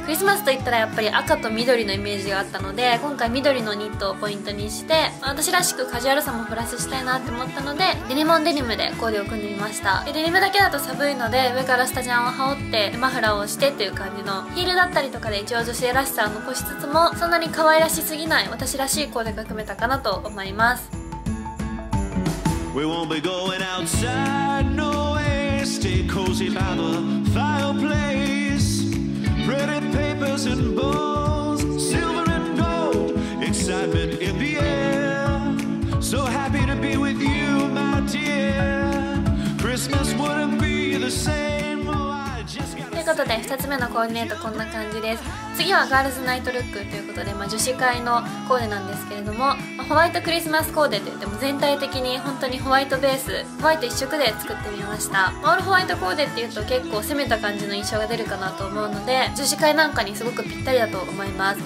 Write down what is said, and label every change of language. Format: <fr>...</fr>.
<ja>クリスマスといったらやっぱり赤と緑のイメージがあったので、今回緑のニットをポイントにして、私らしくカジュアルさもプラスしたいなって思ったので、デニムオンデニムでコーデを組んでみました。デニムだけだと寒いので、上からスタジャンを羽織ってマフラーをしてっていう感じの、ヒールだったりとかで一応女性らしさを残しつつも、そんなに可愛らしすぎない私らしいコーデが組めたかなと思います。</ja> <en>We won't be going outside, no way. Stay cozy by the fireplace. Pretty papers and bows, silver and gold. Excitement in the air. So happy to be with you, my dear. Christmas wouldn't be the same.</en> <ja>ということで、2つ目のコーディネートこんな感じです。次はガールズナイトルックということで、女子会のコーデなんですけれども、ホワイトクリスマスコーデといっても、全体的に本当にホワイトベース、ホワイト一色で作ってみました。オールホワイトコーデっていうと結構攻めた感じの印象が出るかなと思うので、女子会なんかにすごくぴったりだと思います。</ja>